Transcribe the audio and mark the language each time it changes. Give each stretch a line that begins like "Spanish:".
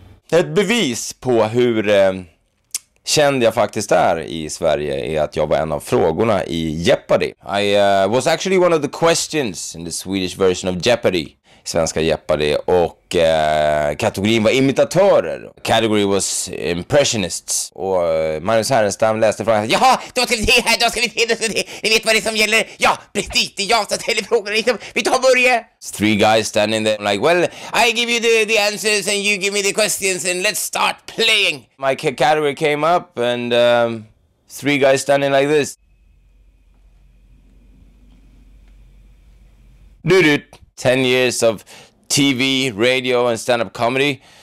Swedish: Ett bevis på hur känd jag faktiskt är i Sverige är att jag var en av frågorna i Jeopardy.
English: I was actually one of the questions in the Swedish version of Jeopardy.
Swedish: Svenska Jeopardy, och kategorin var imitatörer.
English: Category was impressionists.
Swedish: Och Magnus Härenstam läste frågan. Ja, då ska vi se här, då ska vi se det. Ni vet vad det är som gäller. Ja, precis, det är jag som ställer frågan. Vi tar börje.
English: Three guys standing there. I'm like, well, I give you the answers and you give me the questions and let's start playing. My category came up and three guys standing like this. Dude. 10 years of TV, radio and stand-up comedy.